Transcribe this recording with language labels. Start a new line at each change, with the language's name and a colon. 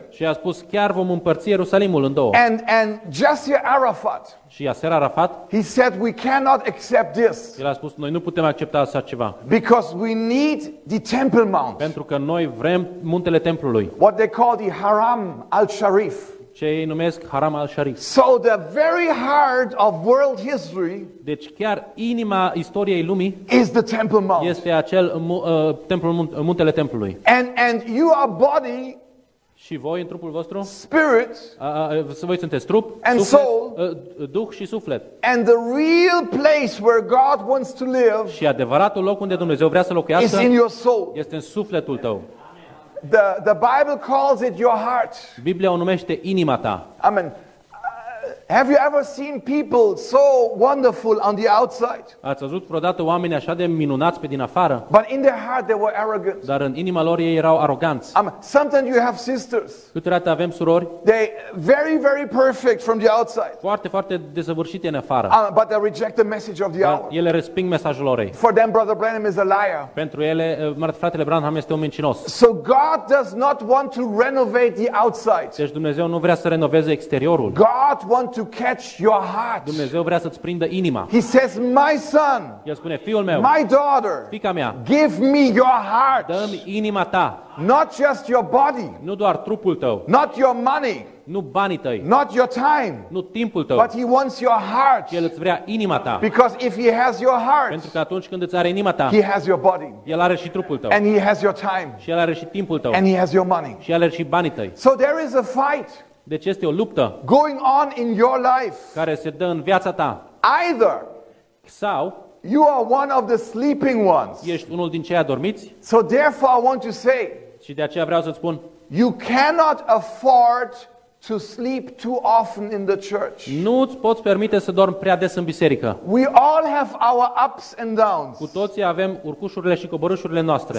Romanian: Și a spus chiar vom împărți Ierusalimul în două.
English: And Yasser Arafat.
Romanian: Și Yasser Arafat.
English: He said we cannot accept this.
Romanian: El a spus noi nu putem accepta așa ceva.
English: Because we need the Temple Mount.
Romanian: Pentru că noi vrem muntele templului.
English: What they call the Haram al-Sharif.
Romanian: Ce ei numesc Haram al-Sharif.
English: So the very heart of world history.
Romanian: Deci chiar inima istoriei lumii.
English: Is the Temple Mount.
Romanian: Este acel muntele templului.
English: And you are body.
Romanian: Și voi în trupul vostru.
English: Spirit.
Romanian: Voi sunteți trup.
English: And
Romanian: suflet,
English: soul.
Romanian: Duh și suflet.
English: And the real place where God wants to live.
Romanian: Și adevăratul loc unde Dumnezeu vrea să locuiască.
English: Is in your soul.
Romanian: Este în sufletul tău.
English: the Bible calls it your heart.
Romanian: Biblia o numește inima ta.
English: Amen. Have you ever seen people so wonderful on the outside?
Romanian: Ați văzut vreodată oameni așa de minunați pe din afară?
English: But in their heart they were arrogant.
Romanian: Dar în inima lor ei erau aroganți.
English: Sometimes you have sisters.
Romanian: Câteodată avem surori.
English: They very very perfect from the outside.
Romanian: Foarte foarte desăvârșite în afară.
English: But they reject the message of the hour.
Romanian: Ele resping mesajul orei.
English: For them Brother Branham is a liar.
Romanian: Pentru ele fratele Branham este un mincinos.
English: So God does not want to renovate the outside.
Romanian: Deci Dumnezeu nu vrea să renoveze exteriorul.
English: God wants to catch your heart.
Romanian: Dumnezeu vrea să-ți prindă inima.
English: He says, my son,
Romanian: El spune, fiul meu,
English: my daughter,
Romanian: fica mea,
English: give me your heart.
Romanian: Dă-mi inima ta.
English: Not just your body.
Romanian: Nu doar trupul tău.
English: Not your money.
Romanian: Nu banii tăi.
English: Not your time.
Romanian: Nu timpul tău.
English: But he wants your heart.
Romanian: El îți vrea inima ta.
English: Because if he has your heart,
Romanian: pentru că atunci când îți are inima ta,
English: he has your body.
Romanian: El are și trupul tău.
English: And he has your time.
Romanian: Și el are și timpul tău.
English: And he has your money.
Romanian: Și el are și banii tăi.
English: So there is a fight.
Romanian: Deci este o luptă
English: going on in your life.
Romanian: Care se dă în viața ta.
English: Either
Romanian: sau
English: you are one of the sleeping ones.
Romanian: Ești unul din cei adormiți.
English: So therefore I want to say,
Romanian: și de aceea vreau să-ți spun,
English: you cannot afford to sleep too often in the church.
Romanian: Nu îți poți permite să dormi prea des în biserică.
English: We all have our ups and downs.
Romanian: Cu toții avem urcușurile și coborâșurile noastre.